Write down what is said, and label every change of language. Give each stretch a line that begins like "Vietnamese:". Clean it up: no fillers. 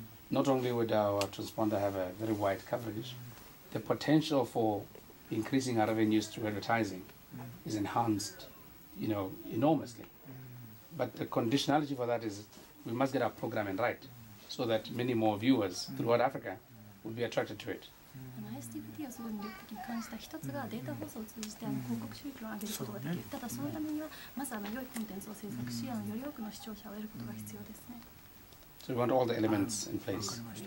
English: Not only would our transponder have a very wide coverage, the potential for increasing our revenues through advertising is enhanced, you know, enormously. But the conditionality for that is we must get our programming right so that many more viewers throughout Africa would be attracted to it.
Japanese: ISDBT はそういう魅力的に関した一つがデータ放送を通じて広告収益を上げることができる。ただそのためにはまず良いコンテンツを制作し、より多くの視聴者を得ることが必要ですね。
English: So we want all the elements in place.